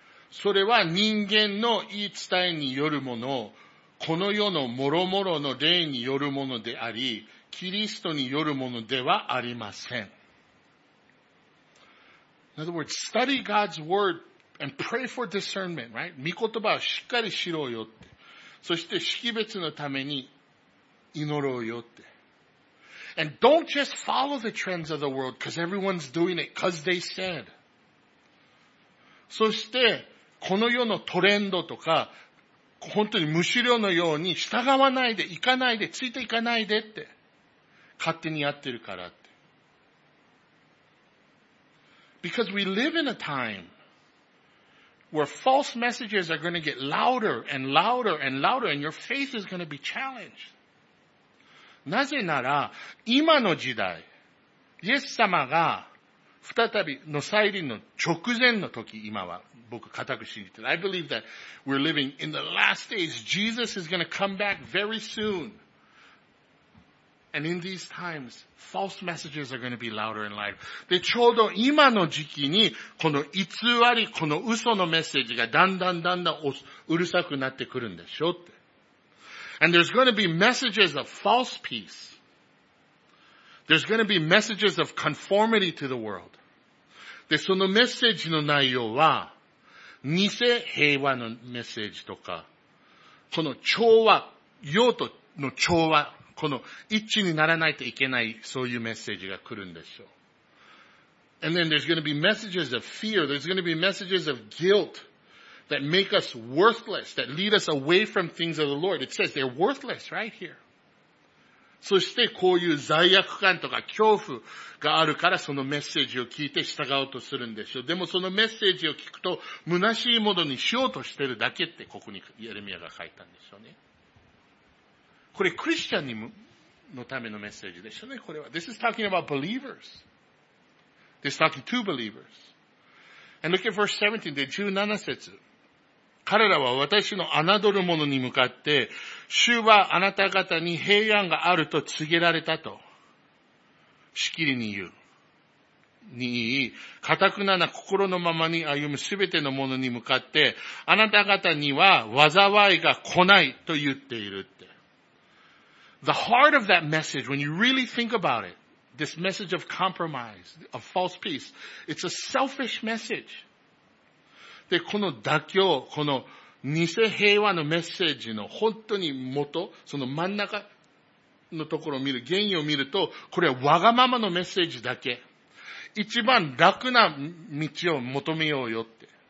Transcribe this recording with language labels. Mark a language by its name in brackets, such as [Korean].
[Japanese] それは人間の言い伝えによるもの、この世の諸々の霊によるものであり、キリストによるものではありません。 [English] In other words, study God's word. And pray for discernment, right? [Japanese] 御言葉をしっかり知ろうよって。そして識別のために祈ろうよって。 [English] And don't just follow the trends of the world because everyone's doing it because they said. [Japanese] そしてこの世のトレンドとか、本当に無資料のように従わないで、行かないで、ついていかないでって。勝手にやってるからって。 [English] Because we live in a time where false messages are going to get louder and louder and louder and your faith is going to be challenged. [Japanese] なぜなら、今の時代、イエス様が再びの再臨の直前の時、今は僕固く信じてる。 [English] I believe that we're living in the last days. Jesus is going to come back very soon. And in these times, false messages are going to be louder and louder. [Japanese] で、ちょうど今の時期に、この偽り、この嘘のメッセージがだんだんだんだんうるさくなってくるんでしょって。 [English] And there's going to be messages of false peace. There's going to be messages of conformity to the world. [Japanese] で、そのメッセージの内容は、偽平和のメッセージとか、この調和、世との調和、この一致にならないといけないそういうメッセージが来るんでしょう。 [English] And then there's going to be messages of fear. There's going to be messages of guilt that make us worthless, that lead us away from things of the Lord. It says they're worthless right here. [Japanese] そしてこういう罪悪感とか恐怖があるからそのメッセージを聞いて従おうとするんでしょう。でもそのメッセージを聞くと虚しいものにしようとしてるだけってここにエレミアが書いたんでしょうね。これクリスチャンにのためのメッセージでしょうね、これは。 [English] This is talking about believers. This is talking to believers. And look at verse 17, [Japanese] で17節。彼らは私の侮る者に向かって、主はあなた方に平安があると告げられたと、しきりに言う。に、かたくなな心のままに歩むすべての者に向かって、あなた方には災いが来ないと言っているって。 [English] The heart of that message, when you really think about it, this message of compromise, of false peace, it's a selfish message. [Japanese] で、この妥協、この偽平和のメッセージの本当に元、その真ん中、のところを見る、原因を見ると、これはわがままのメッセージだけ。一番楽な道を求めようよって。